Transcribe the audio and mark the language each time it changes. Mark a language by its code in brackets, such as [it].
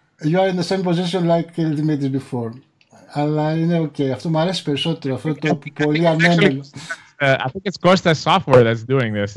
[en] You are in the same position like Dimitris before. [el] Αλλά είναι ok. Αυτό μου αρέσει περισσότερο. Αυτό το πολύ ανέμελο. [en] I think it's Costa's software that's doing this.